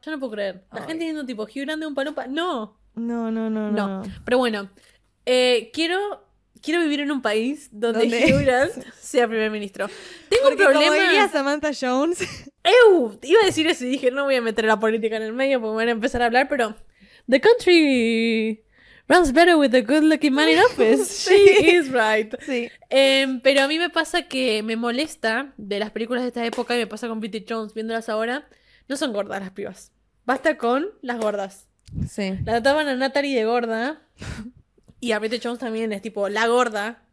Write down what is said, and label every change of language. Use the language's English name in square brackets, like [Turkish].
[Spanish] Yo no puedo creer. La gente diciendo tipo, Hugh Grant de un palumpa. No. No. Pero bueno, quiero... Quiero vivir en un país donde Hugh Grant sea primer ministro. Tengo un problema. Como diría Samantha Jones. ¡Ew! Iba a decir eso y dije, no voy a meter la política en el medio porque me van a empezar a hablar, pero... [English] The country runs better with a good-looking man in office. [Spanish] Sí. [English] She is right. [Spanish] Sí. Pero a mí me pasa que me molesta de las películas de esta época y me pasa con Bridget Jones viéndolas ahora. No son gordas las pibas. Basta con las gordas. Sí. La trataban a Natalie de gorda. Y a Bridget Jones también es tipo la gorda.